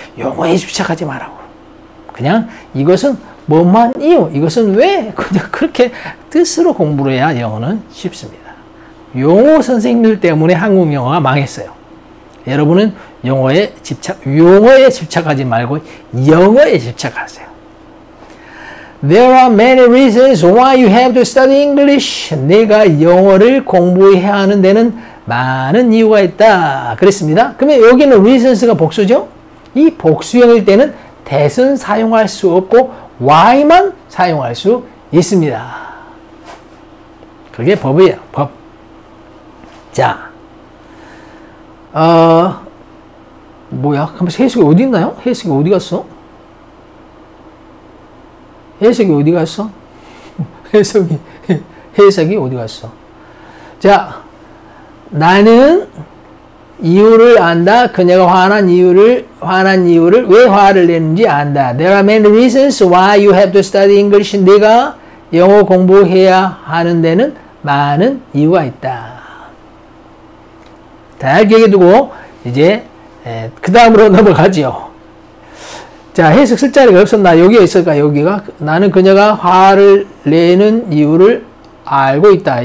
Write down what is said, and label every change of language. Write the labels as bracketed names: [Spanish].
[Korean] 용어에 집착하지 말라고. 그냥 이것은 뭐만 이유 이것은 왜 그냥 그렇게 뜻으로 공부를 해야 영어는 쉽습니다. 용어 선생님들 때문에 한국 영어가 망했어요. 여러분은 용어에 집착, 용어에 집착하지 말고 영어에 집착하세요. [English] There are many reasons why you have to study English. [Korean] 내가 영어를 공부해야 하는 데는 많은 이유가 있다. 그랬습니다. 그러면 여기는 reasons가 복수죠? 이 복수형일 때는 that은 사용할 수 없고 why만 사용할 수 있습니다. 그게 법이에요. 법. 자. 뭐야? 그럼 해석이 어디 있나요? 해석이 어디 갔어? 해석이 어디 갔어? 해석이 어디 갔어? 자. 나는 이유를 안다. 그녀가 화난 이유를 왜 화를 내는지 안다. [English] There are many reasons why you have to study English. [Korean] 네가 영어 공부해야 하는 데는 많은 이유가 있다. 잘 기억해두고 이제 그 다음으로 넘어가지요. 자 해석 쓸 자리가 없었나? 여기에 있을까? 여기가 나는 그녀가 화를 내는 이유를 알고 있다.